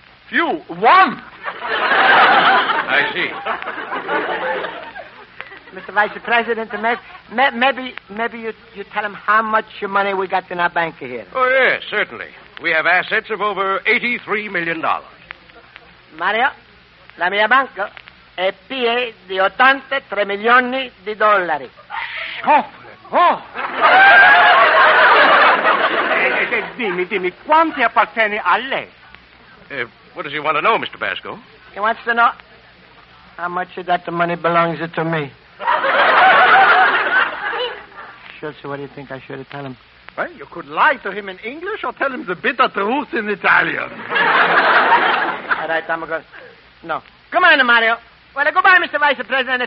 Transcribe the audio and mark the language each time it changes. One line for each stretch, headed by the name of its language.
English: Few? One? I see. Mr. Vice President, maybe you tell him how much money we got in our bank here. Oh, yes, certainly. We have assets of over $83 million.
Italian: Mario, la mia banca è piena di 83 milioni di dollari. Oh! dimmi, quanti appartiene a lei?
English: What does he want to know, Mr. Basco? He wants to know how much of that money belongs to me. Sure, so what do you think I should tell him? Well, you could lie to him in English or tell him the bitter truth in Italian. All right, I'm going. No. Come on, Mario. Well, goodbye, Mr. Vice President.